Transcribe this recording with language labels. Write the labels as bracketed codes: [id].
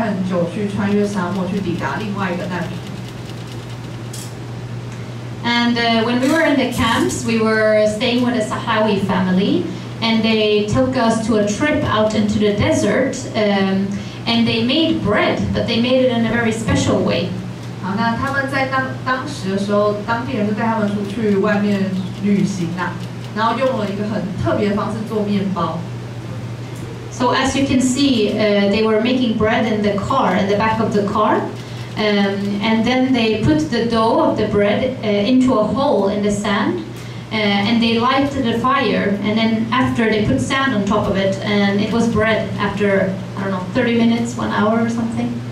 [zh] 那这些难民区其实都已经很成熟，像不同的城市。然后你在这个难民营到那个难民营，就像刚刚那个影片，你要开车开很久去穿越沙漠去抵达另外一个难民。 [en] And when we were in the camps, we were staying with a Sahrawi family, and they took us to a trip out into the desert, and they made bread, but they made it in a very special way. [zh] 好，那他们在当时的时候，当地人就带他们出去外面旅行啊，然后用了一个很特别的方式做面包。So [en] as you can see, they were making bread in the car, in the back of the car. And then they put the dough of the bread into a hole in the sand, and they lighted the fire, and then after they put sand on top of it, and it was bread after, I don't know, 30 minutes, 1 hour or something.